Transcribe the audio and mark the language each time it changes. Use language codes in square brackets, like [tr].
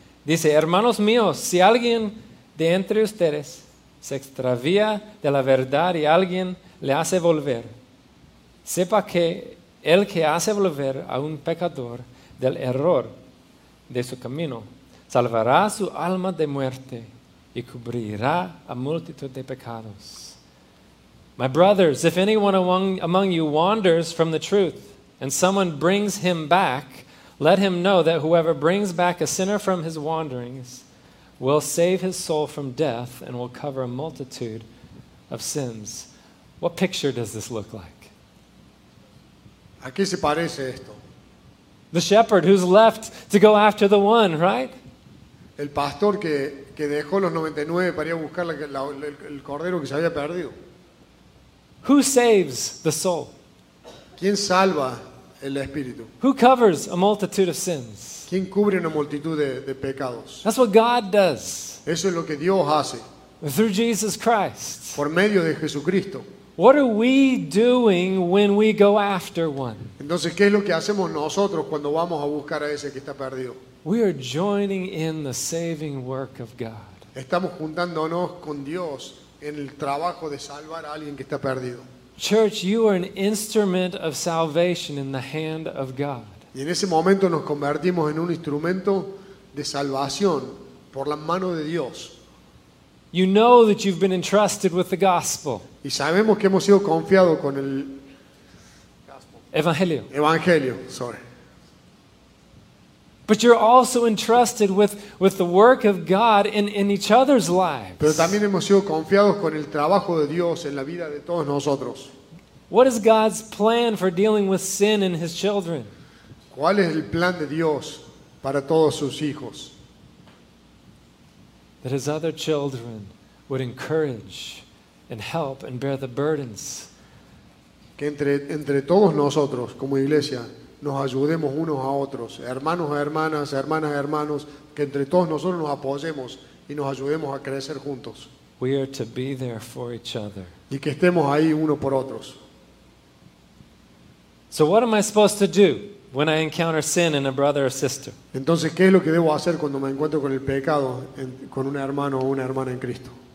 [es] Dice, hermanos míos, si alguien de entre ustedes se extravía de la verdad y alguien le hace volver, sepa que el que hace volver a un pecador del error de su camino, salvará su alma de muerte y cubrirá a multitud de pecados. [en] My brothers, if anyone among you wanders from the truth and someone brings him back, let him know that whoever brings back a sinner from his wanderings will save his soul from death and will cover a multitude of sins. What picture does this look like? [es] ¿A qué se parece esto? [en] The shepherd who's left to go after the one, right? [es] El pastor que dejó los 99 para ir a buscar el cordero que se había perdido. [en] Who saves the soul? [es] ¿Quién salva el espíritu? [en] Who covers a multitude of sins? [es] ¿Quién cubre una multitud de pecados? [en] That's what God does. [es] Eso es lo que Dios hace. [en] Through Jesus Christ. [es] Por medio de Jesucristo. [en] What are we doing when we go after one? [es] Entonces, ¿qué es lo que hacemos nosotros cuando vamos a buscar a ese que está perdido? [en] We are joining in the saving work of God. [es] Estamos juntándonos con Dios en el trabajo de salvar a alguien que está perdido. [en] Church, you are an instrument of salvation in the hand of God. [es] Y en ese momento nos convertimos en un instrumento de salvación por la mano de Dios. [en] You know that you've been entrusted with the gospel. [es] Y sabemos que hemos sido confiados con el evangelio. Evangelio, [en] sorry. But you're also entrusted with the work of God in each other's lives. [es] Pero también hemos sido confiados con el trabajo de Dios en la vida de todos nosotros. [en] What is God's plan for dealing with sin in His children? [es] ¿Cuál es el plan de Dios para todos sus hijos? [en] That His other children would encourage and help and bear the burdens. [es] Que entre todos nosotros como iglesia nos ayudemos unos a otros, hermanos a hermanas, hermanas a hermanos, que entre todos nosotros nos apoyemos y nos ayudemos a crecer juntos. [en] We are to be there for each other. [es] Y que estemos ahí uno por otros. [en] So what am I supposed to do when I encounter sin in a brother or sister? [es] Entonces, ¿qué es lo que debo hacer cuando me encuentro con el pecado con un hermano o una hermana en Cristo?